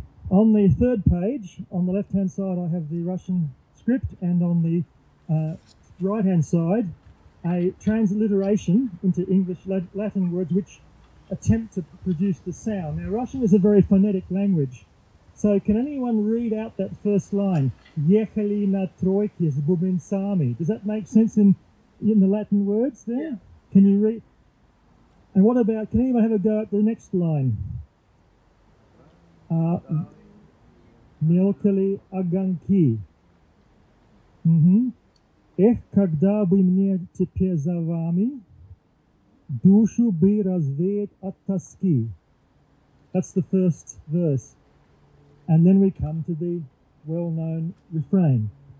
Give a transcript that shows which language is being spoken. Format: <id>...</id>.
<en>On the third page, on the left-hand side, I have the Russian script, and on the right-hand side, a transliteration into English Latin words which attempt to produce the sound. Now, Russian is a very phonetic language, so can anyone read out that first line?</en> <ru>Ехали на тройке с бубенцами.</ru> <en>Does that make sense in the Latin words there? Yeah. Can you read? And what about, can anyone have a go at the next line?</en> <ru>Мелкали огоньки. Эх, когда бы мне теперь за вами душу бы развеять от тоски.</ru> <en>That's the first verse. And then we come to the well-known refrain.</en>